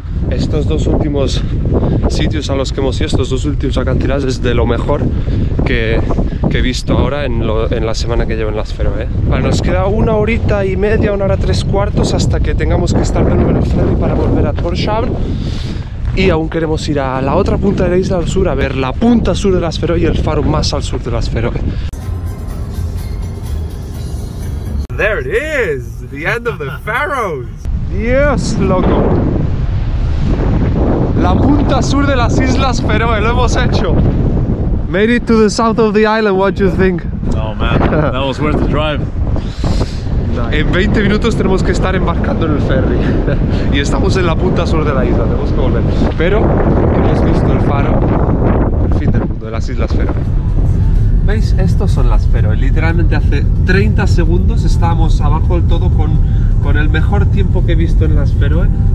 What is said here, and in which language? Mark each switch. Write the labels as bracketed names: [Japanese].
[Spanish] Estos dos últimos sitios a los que hemos ido, estos dos últimos acantilados, es de lo mejor que he visto ahora en la semana que llevo en las Feroe, ¿eh? Bueno, nos queda una horita y media, una hora tres cuartos, hasta que tengamos que estar de nuevo en el ferry para volver a Tórshavn. Y aún queremos ir a la otra punta de la isla al sur, a ver la punta sur de las Feroe y el faro más al sur de las Feroe. [English] There it is, the end of the Faroes. [Spanish] Dios, loco. La punta sur de las Islas Feroe, lo hemos hecho. [English] Made it to the south of the island, what do you think? Oh man, that was worth the drive. [Spanish] En 20 minutos tenemos que estar embarcando en el ferry. Y estamos en la punta sur de la isla, tenemos que volver. Pero hemos visto el faro, el fin del mundo, de las Islas Feroe. ¿Veis? Estos son las Feroe. Literalmente hace 30 segundos estábamos abajo del todo con el mejor tiempo que he visto en las Feroe.